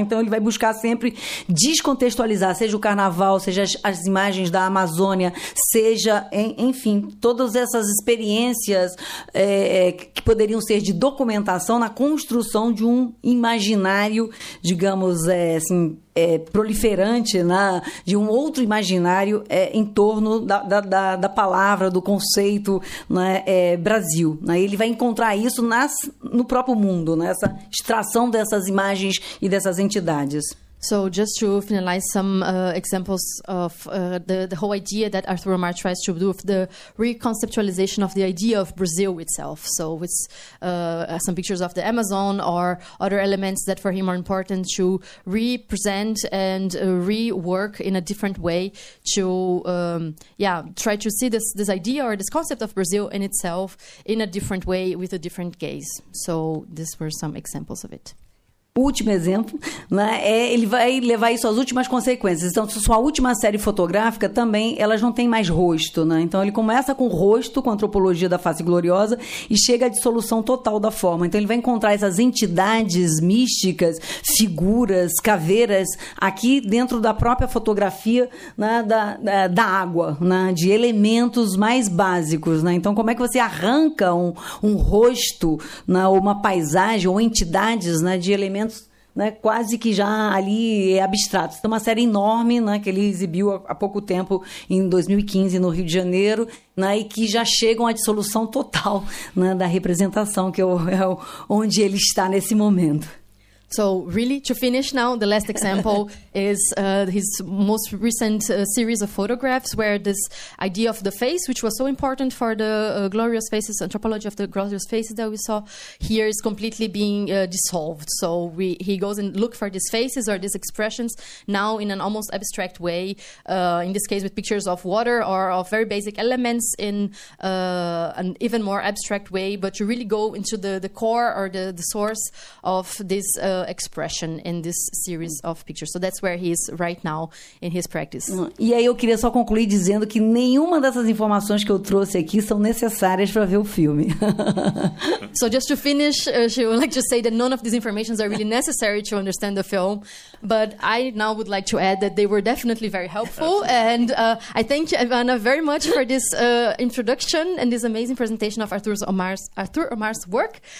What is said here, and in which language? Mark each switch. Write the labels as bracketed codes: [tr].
[pt] Então, ele vai buscar sempre descontextualizar, seja o carnaval, seja as imagens da Amazônia, seja, enfim, todas essas experiências que poderiam ser de documentação na construção de um imaginário, digamos, proliferante, né, de um outro imaginário em torno da palavra, do conceito, né, Brasil. Né? Ele vai encontrar isso no próprio mundo, né, essa extração dessas imagens e dessas entidades. [en] So just to finalize some examples of the whole idea that Arthur Omar tries to do with the reconceptualization of the idea of Brazil itself. So it's some pictures of the Amazon or other elements that for him are important to represent and rework in a different way to try to see this idea or this concept of Brazil in itself in a different way with a different gaze. So these were some examples of it. [pt] Último exemplo, né, ele vai levar isso às últimas consequências. Então, sua última série fotográfica também, elas não têm mais rosto, né? Então, ele começa com o rosto, com a antropologia da face gloriosa, e chega à dissolução total da forma. Então, ele vai encontrar essas entidades místicas, figuras, caveiras, aqui dentro da própria fotografia, né, da água, né, de elementos mais básicos, né? Então, como é que você arranca um rosto, né, ou uma paisagem, ou entidades, né, de elementos, né, quase que já ali é abstrato. Tem uma série enorme, né, que ele exibiu há pouco tempo, em 2015, no Rio de Janeiro, né, e que já chegam à dissolução total, né, da representação, que é onde ele está nesse momento. [en] So really, to finish now, the last example is his most recent series of photographs, where this idea of the face, which was so important for the glorious faces, anthropology of the glorious faces that we saw here, is completely being dissolved. So he goes and look for these faces or these expressions now in an almost abstract way, in this case with pictures of water or of very basic elements in an even more abstract way, but you really go into the core or the source of this expression in this series of pictures. So that's where he is right now in his practice. [pt] E aí eu queria só concluir dizendo que nenhuma dessas informações que eu trouxe aqui são necessárias para ver o filme. [en] So just to finish, she would like to say that none of these informations are really necessary to understand the film, but I now would like to add that they were definitely very helpful. And I thank Ivana very much for this introduction and this amazing presentation of Arthur Omar's work.